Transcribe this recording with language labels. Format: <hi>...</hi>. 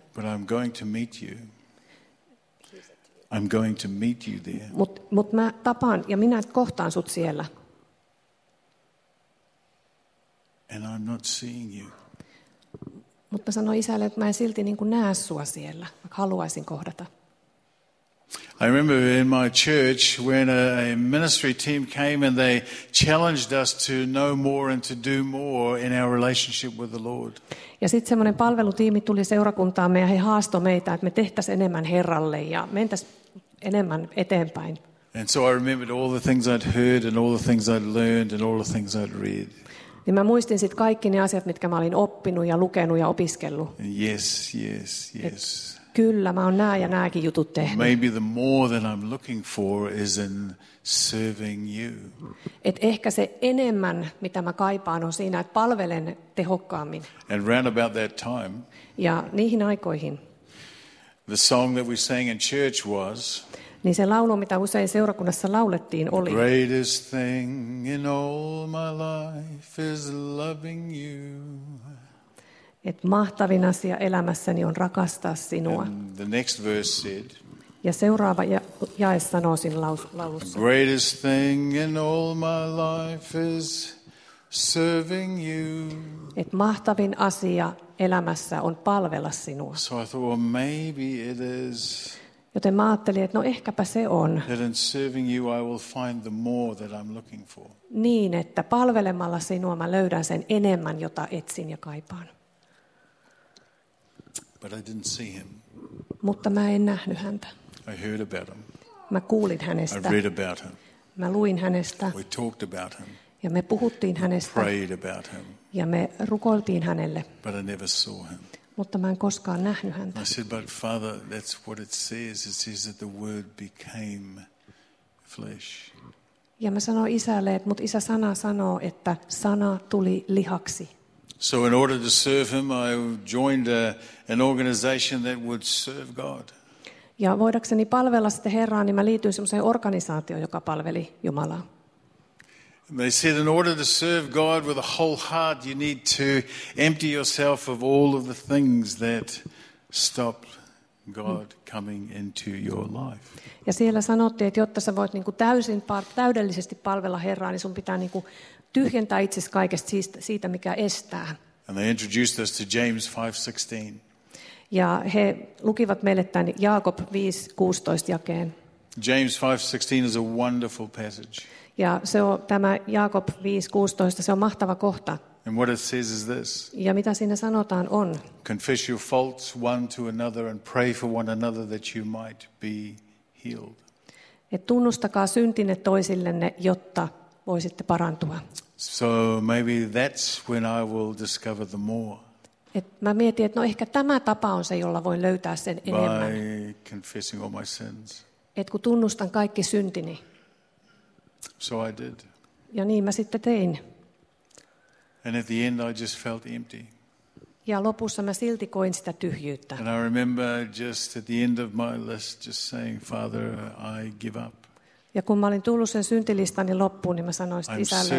<en>But I'm going to meet you. I'm going to meet you there.</en> <fi>Mut mä tapaan ja minä kohtaan sut siellä.</fi> <en>And I'm not seeing you.</en> <fi>Mut mä sanoin isälle, että mä en silti niin kuin näe sua siellä, vaikka haluaisin kohdata.</fi> <en>I remember in my church when a ministry team came and they challenged us to know more and to do more in our relationship with the Lord.</en> <fi>Ja sitten semmoinen palvelutiimi tuli seurakuntaamme ja he haastoi meitä, että me tehtäisiin enemmän Herralle ja mentäisiin enemmän eteenpäin.</fi> <en>And so I remembered all the things I'd heard and all the things I'd learned and all the things I'd read.</en> <fi>Niin mä muistin sitten kaikki ne asiat, mitkä mä olin oppinut ja lukenut ja opiskellut.</fi> <en>Yes, yes, yes.</en> <fi>Kyllä, mä oon nää ja nääkin jutut tehnyt.</fi> <en>Maybe the more that I'm looking for is in serving you.</en> <fi>Et ehkä se enemmän, mitä mä kaipaan, on siinä, että palvelen tehokkaammin.</fi> <en>And round about that time.</en> <fi>Ja niihin aikoihin.</fi> <en>The song that we sang in church was.</en> <fi>Niin se laulu, mitä usein seurakunnassa laulettiin, oli.</fi> <en>The greatest thing in all my life is loving you.</en> <fi>Et mahtavin asia elämässäni on rakastaa sinua.</fi> <en>The next verse said,</en> <fi>ja seuraava jae sanoo siinä laulussa.</fi> <en>The greatest thing in all my life is serving you.</en> <fi>Et mahtavin asia elämässä on palvella sinua.</fi> <en>So I thought, well, maybe it is.</en> <fi>Joten mä ajattelin, että no ehkäpä se on.</fi> <en>That in serving you I will find the more that I'm looking for.</en> <fi>Niin, että palvelemalla sinua mä löydän sen enemmän, jota etsin ja kaipaan.</fi> <en>But I didn't see him.</en> <fi>Mutta mä en nähnyt häntä.</fi> <en>I heard about him.</en> <fi>Mä kuulin hänestä.</fi> <en>I read about him.</en> <fi>Mä luin hänestä.</fi> <en>We talked about him.</en> <fi>Ja me puhuttiin hänestä.</fi> <en>We prayed about him.</en> <fi>Ja me rukoiltiin hänelle.</fi> <en>But I never saw him.</en> <fi>Mutta mä en koskaan nähnyt häntä.</fi> <en>I said, but Father, that's what it says. It says that the Word became flesh.</en> <fi>Ja mä sanoin isälle, että mut isä sana sanoo, että sana tuli lihaksi.</fi> <en>So in order to serve him, I joined an organization that would serve God.</en> <fi>Ja voidakseni palvella sitä Herraa, niin mä liityin semmoiseen organisaatioon, joka palveli Jumalaa.</fi> <en>And they said, in order to serve God with a whole heart, you need to empty yourself of all of the things that stop God coming into your life.</en> <fi>Ja siellä sanottiin, että jotta sä voit niinku täydellisesti palvella Herraa, niin sun pitää niinku tyhjentää itsesi kaikesta siitä, mikä estää.</fi> <en>And they introduced us to James 5:16.</en> <fi>Ja he lukivat meille tämän Jaakob 5:16 jakeen.</fi> <en>James 5:16 is a wonderful passage.</en> <fi>Ja se on tämä Jaakob 5:16, se on mahtava kohta.</fi> <en>And what it says is this.</en> <fi>Ja mitä siinä sanotaan on.</fi> <en>Confess your faults one to another and pray for one another that you might be healed.</en> <fi>Et tunnustakaa syntinne toisillenne, jotta voisitte parantua.</fi> <en>So maybe that's when I will discover the more.</en> <fi>Et mä mietin, että no ehkä tämä tapa on se, jolla voin löytää sen</fi> <en>by</en> <fi>enemmän.</fi> <en>By confessing all my sins.</en> <fi>Et kun tunnustan kaikki syntini.</fi> <en>So I did.</en> <fi>Ja niin mä sitten tein.</fi> <en>And at the end I just felt empty.</en> <fi>Ja lopussa mä silti koin sitä tyhjyyttä.</fi> <en>And I remember just at the end of my list just saying, Father, I give up.</en> <fi>Ja kun mä olin tullut sen syntilistani loppuun, niin mä sanoin isälle,</fi>